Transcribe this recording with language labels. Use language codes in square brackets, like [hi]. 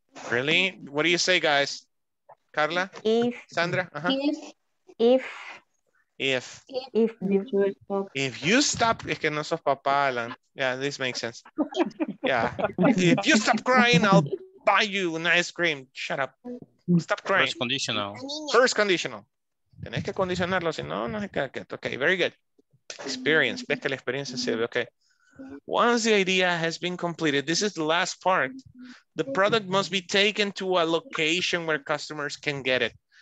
[en] Really? What do you say, guys? Carla? If. Sandra? Uh-huh. If you stop, [es] es que no sos papá, [en] Alan. Yeah, this makes sense. Yeah. If you stop crying, I'll buy you an ice cream. Shut up. Stop crying. First conditional. [es] Tenés que condicionarlo, si no, no se queda quieto. [en] Okay, very good. Experience, [es] ves que la experiencia sirve. Okay. [en] Once the idea has been completed, this is the last part. The product must be taken to a location where customers can get it.